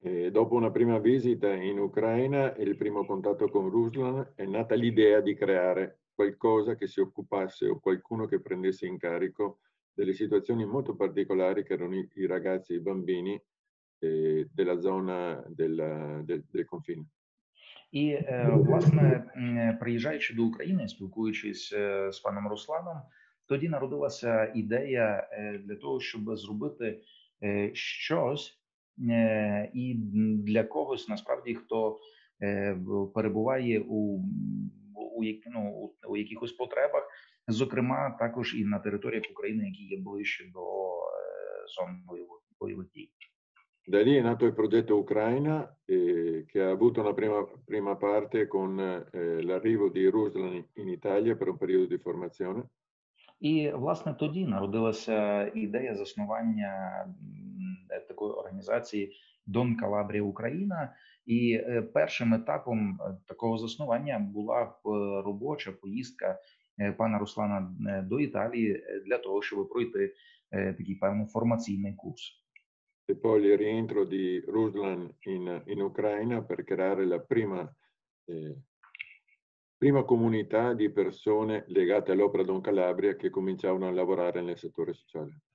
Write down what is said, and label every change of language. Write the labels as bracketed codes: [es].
[it] Dopo una prima visita in Ucraina e il primo contatto con Ruslan è nata l'idea di creare qualcosa che si occupasse o qualcuno che prendesse in carico delle situazioni molto particolari che erano i ragazzi e i bambini della zona del confine. [uk] І власне, приїжджаючи до України, спілкуючись з паном Русланом, тоді народилася ідея для того, щоб зробити щось і для когось, насправді, хто перебуває у якихось потребах, зокрема, також і на територіях України, які є ближче до зон бойових дій. [it] Da lì è nato il progetto Ucraina, che ha avuto una prima parte con l'arrivo di Ruslan in Italia per un periodo di formazione. [uk] І, власне, тоді народилася ідея заснування такої організації «Дон Калабрія Україна». І першим етапом такого заснування була робоча поїздка пана Руслана до Італії для того, щоб пройти такий певний формаційний курс. [it] E poi il rientro di Ruslan in Ucraina per creare la prima comunità di persone legate all'opera Don Calabria che cominciavano a lavorare nel settore sociale.